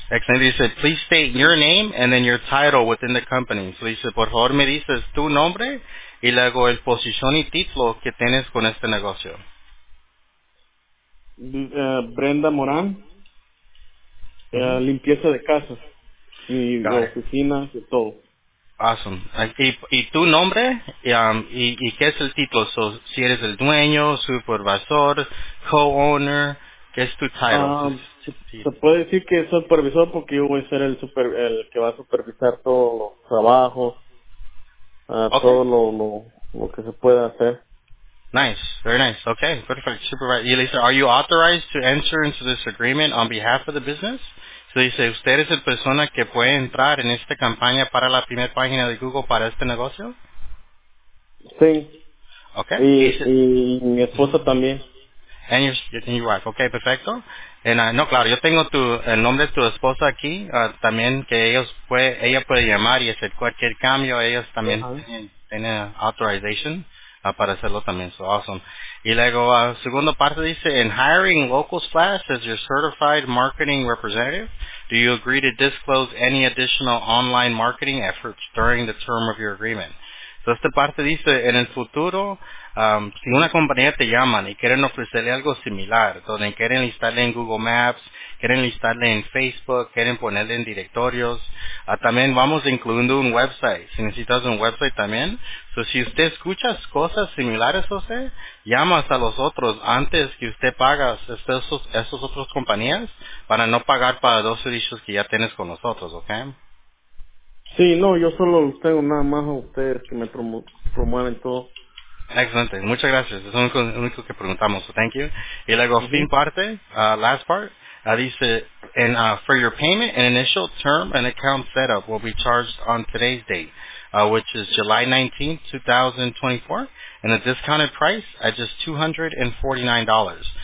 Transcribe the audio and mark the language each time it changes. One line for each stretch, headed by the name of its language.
English: Excellent. He said, please state your name and then your title within the company. So he said,
Spanish: por favor, me dices tu nombre y luego el posición y título que tienes con este negocio. Brenda Morán, limpieza de casas y oficinas y todo.
English: Awesome.
Spanish: Y tu nombre, y qué es el título? So, si eres el dueño, supervisor, co-owner, ¿qué es tu title? Se puede decir que es supervisor porque yo voy a ser el que va a supervisar todos los trabajos, okay. Todo lo que se pueda hacer.
English: Nice, very nice. Okay, perfect. Supervisor.
Spanish: Y le dice,
English: are you authorized to enter into this agreement on behalf of the business?
Spanish: So dice, ¿usted es la persona que puede entrar en esta campaña para la primera página de Google para este negocio? Sí.
English: Okay.
Spanish: Y mi esposa también.
English: And your wife. Okay, perfecto.
Spanish: No, claro, yo tengo el nombre de tu esposa aquí, también que ella puede llamar y hacer cualquier cambio. Ellos también tienen authorization para hacerlo también.
English: So awesome.
Spanish: Y luego, segunda parte dice,
English: in hiring Local Splash as your certified marketing representative, do you agree to disclose any additional online marketing efforts during the term of your agreement?
Spanish: So esta parte dice, en el futuro, si una compañía te llama y quieren ofrecerle algo similar, donde quieren listarle en Google Maps, quieren listarle en Facebook, quieren ponerle en directorios, también vamos incluyendo un website. Si necesitas un website también, so si usted escucha cosas similares, José, llamas a los otros antes que usted paga esos otros compañías para no pagar para dos servicios que ya tienes con nosotros, ¿ok? Sí, no, yo solo tengo nada más a ustedes que me promueven todo. Excelente, muchas gracias. Es lo único que preguntamos,
English: so thank you.
Spanish: Y luego, mm-hmm. Fin parte,
English: last part,
Spanish: dice,
English: and, for your payment, an initial term and account setup will be charged on today's date, which is July 19, 2024, and a discounted price at just $249.